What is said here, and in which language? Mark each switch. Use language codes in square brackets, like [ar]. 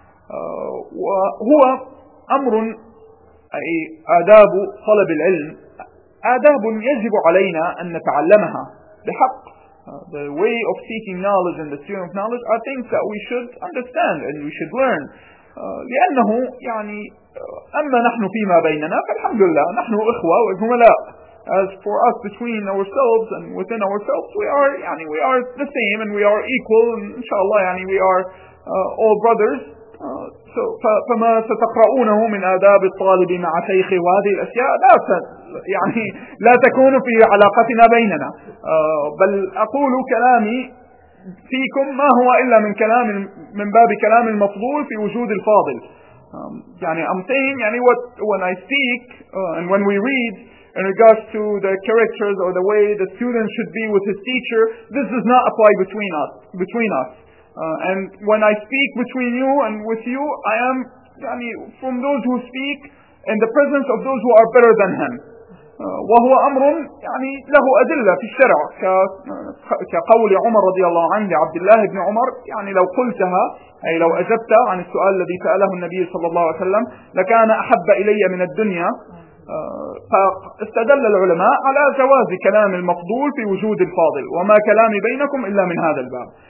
[ar] وهو أمر أي آداب طلب العلم آداب يجب علينا أن نتعلمها بحق. [en] The way of seeking knowledge and the sphere of knowledge are things that we should understand and we should learn. [ar] لأنه يعني أما نحن فيما بيننا فالحمد لله نحن إخوة وزملاء. [en] As for us between ourselves and within ourselves, we are يعني we are the same and we are equal. Inshallah, يعني we are all brothers. [ar] So فما ستقرؤونه من آداب الطالب مع شيخه وهذه الأشياء لا يعني لا تكون في علاقتنا بيننا بل أقول كلامي فيكم ما هو إلا من كلام من باب كلام المفضول في وجود الفاضل يعني [en] I'm saying يعني what when I speak and when we read in regards to the characters or the way the student should be with his teacher this does not apply between us. And when I speak between you and with you, I am يعني, from those who speak in the presence of those who are better than him. [ar] وهو أمر يعني له أدلة في الشرع كقول عمر رضي الله عنه لعبد الله بن عمر يعني لو قلتها أي لو أجبت عن السؤال الذي سأله النبي صلى الله عليه وسلم لكان أحب إلي من الدنيا فاستدل العلماء على جواز كلام المفضول في وجود الفاضل وما كلامي بينكم إلا من هذا الباب.